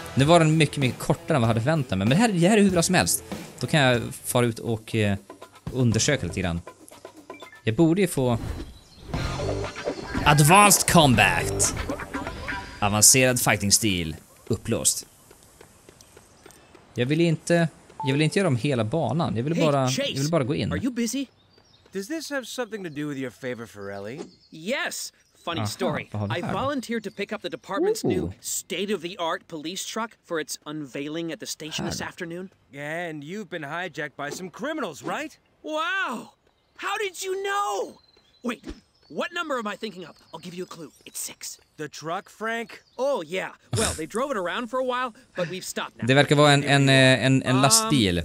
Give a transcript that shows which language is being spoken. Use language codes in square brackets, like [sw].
[sv] Nu var den mycket, mycket kortare än vad jag hade väntat mig. Men det här är hur bra som helst. Då kan jag fara ut och undersöka lite grann. Jag borde ju få Advanced Combat. Avancerad fighting stil upplåst. Jag vill inte göra om hela banan. Jag vill bara gå in. [en] Are you busy? Does this have something to do with your favor for Ellie? Yes. Funny story. I volunteered to pick up the department's new state-of-the-art police truck for its unveiling at the station this afternoon. And you've been hijacked by some criminals, right? Wow! How did you know? Wait, what number am I thinking of? I'll give you a clue. It's 6. The truck, Frank? Oh, yeah. Well, they drove it around for a while, but we've stopped now. [sv] Det verkar vara en lastbil.